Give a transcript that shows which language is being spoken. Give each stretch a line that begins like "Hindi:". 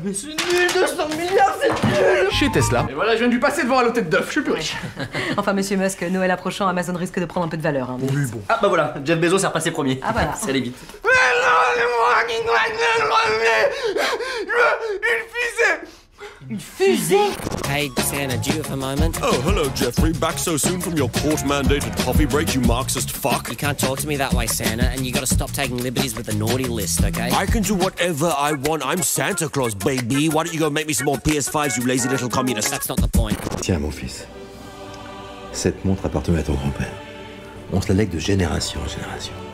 French: Mais c'est nul, 200 milliards, c'est nul! Chez Tesla. Et voilà, je viens de lui passer devant à l'hôtel d'œuf, je suis plus riche. Enfin, monsieur Musk, Noël approchant, Amazon risque de prendre un peu de valeur. Hein, mais... Oui, bon. Ah, bah voilà, Jeff Bezos est repassé premier. Ah, voilà. Ça allait vite. Mais non, c'est moi qui dois être le premier! Il fusait! Une fusée?
English: Hey, can I do you for a moment? Oh, hello, Jeffrey. Back so soon from your court-mandated coffee break, you Marxist fuck. You can't talk to me that way, Santa, and you gotta stop taking liberties with the naughty list, okay? I can do whatever I want. I'm Santa Claus, baby. Why don't you go make me some more PS5s, you lazy little communist? That's not the point.
French: Tiens, mon fils. Cette montre appartenait à ton grand-père. On se la lègue de génération en génération.